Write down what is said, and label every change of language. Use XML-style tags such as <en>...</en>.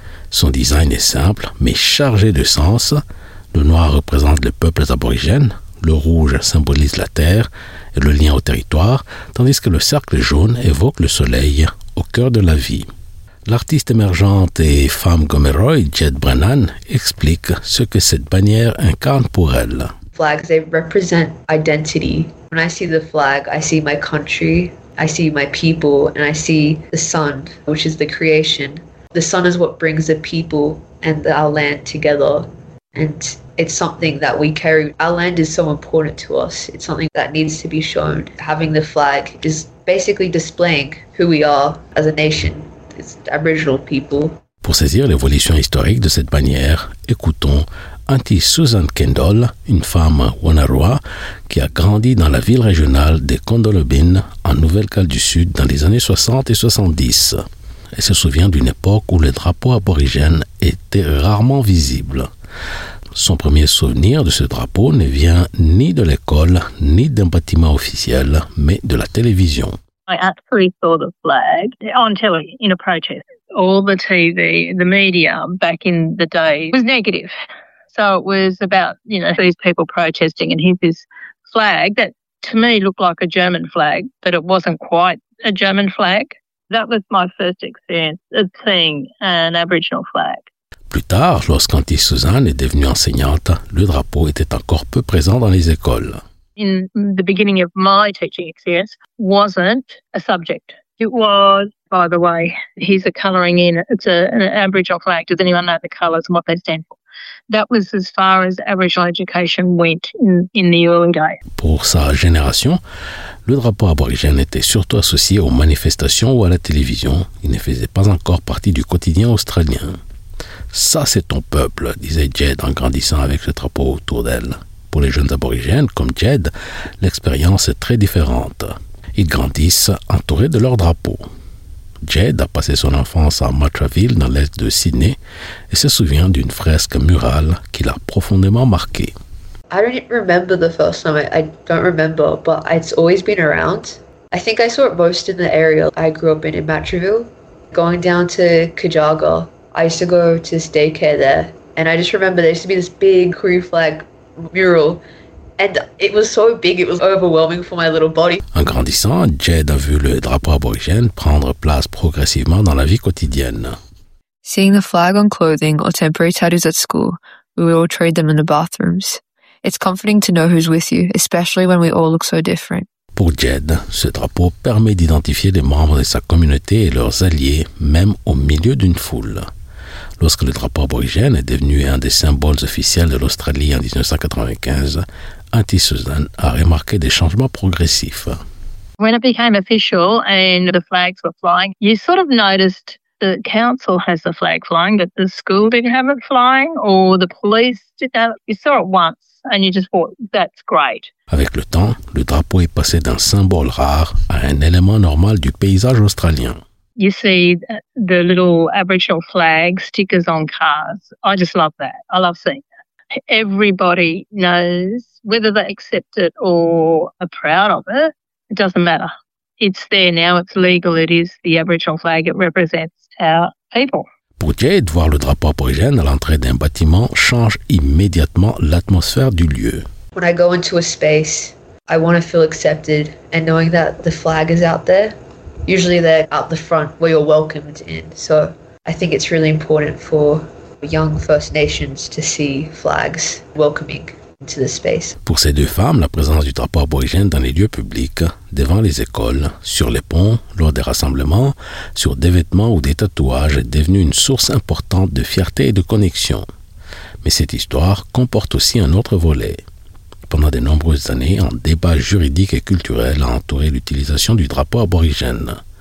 <fr>Son design est simple, mais chargé de sens. Le noir représente les peuples aborigènes, le rouge symbolise la terre et le lien au territoire, tandis que le cercle jaune évoque le soleil au cœur de la vie. L'artiste émergente et femme Gomeroi, Jed Brennan, explique ce que cette bannière incarne pour elle.</fr> <en>Flags, they represent identity. When I see the flag, I see my country, I see my people, and I see the sun, which is the creation. The sun is what brings the people and our land together. And it's something that we carry. Our land is so important to us. It's something that needs to be shown. Having the flag is basically displaying who we are as a nation. It's Aboriginal people.</en> <fr>Pour saisir l'évolution historique de cette bannière, écoutons Auntie Susan Kendall, une femme Wanaroa qui a grandi dans la ville régionale de Condolobin en Nouvelle-Galles du Sud dans les années 60 et 70. Elle se souvient d'une époque où les drapeaux aborigènes étaient rarement visibles. Son premier souvenir de ce drapeau ne vient ni de l'école, ni d'un bâtiment officiel, mais de la télévision.</fr> <en>I actually saw the flag on telly in a protest. All the TV, the media back in the day was negative. So it was about, you know, these people protesting and here's this flag that to me looked like a German flag, but it wasn't quite a German flag. That was my first experience of seeing an Aboriginal flag.</en> <fr>Plus tard, lorsqu'Auntie Suzanne est devenue enseignante, le drapeau était encore peu présent dans les écoles.</fr> <en>In the beginning of my teaching experience, wasn't a subject. It was, by the way, here's a colouring in. It's an Aboriginal flag. Does anyone know the colours and what they stand for? That was as far as Aboriginal education went in the early days.</en> <fr>Pour sa génération, le drapeau aborigène était surtout associé aux manifestations ou à la télévision. Il ne faisait pas encore partie du quotidien australien. Ça, c'est ton peuple, disait Jed en grandissant avec ce drapeau autour d'elle. Pour les jeunes aborigènes comme Jed, l'expérience est très différente. Ils grandissent entourés de leur drapeau. Jed a passé son enfance à Matraville, dans l'est de Sydney, et se souvient d'une fresque murale qui l'a profondément marqué.</fr> <en>I don't remember the first time. I don't remember, but it's always been around. I think I saw it most in the area I grew up in Matraville, going down to Cajaga. I used to go to this daycare there, and I just remember there used to be this big Koori flag mural, and it was so big, it was overwhelming for my little body.</en> <fr>En grandissant, Jed a vu le drapeau aborigène prendre place progressivement dans la vie quotidienne.</fr> <en>Seeing the flag on clothing or temporary tattoos at school, we would all trade them in the bathrooms. It's comforting to know who's with you, especially when we all look so different.</en> <fr>Pour Jed, ce drapeau permet d'identifier les membres de sa communauté et leurs alliés, même au milieu d'une foule. Lorsque le drapeau aborigène est devenu un des symboles officiels de l'Australie en 1995, Auntie Susan a remarqué des changements progressifs.</fr> <en>When it became official and the flags were flying, you sort of noticed the council has the flag flying, but the school didn't have it flying, or the police didn't have it. You saw it once and you just thought, that's great.</en> <fr>Avec le temps, le drapeau est passé d'un symbole rare à un élément normal du paysage australien.</fr> <en>You see the little Aboriginal flag stickers on cars. I just love that. I love seeing that. Everybody knows, whether they accept it or are proud of it, it doesn't matter. It's there now, it's legal, it is the Aboriginal flag, it represents our people.</en> <fr>Pour Jade, voir le drapeau aborigène à l'entrée d'un bâtiment change immédiatement l'atmosphère du lieu.</fr> <en>When I go into a space, I want to feel accepted and knowing that the flag is out there. Usually they're out the front where you're welcomed in. So I think it's really important for young First Nations to see flags welcoming into the space.</en> <fr>Pour ces deux femmes, la présence du drapeau aborigène dans les lieux publics, devant les écoles, sur les ponts, lors des rassemblements, sur des vêtements ou des tatouages est devenue une source importante de fierté et de connexion. Mais cette histoire comporte aussi un autre volet. Pendant de nombreuses années, un débat juridique et culturel a entouré l'utilisation du drapeau aborigène.</fr>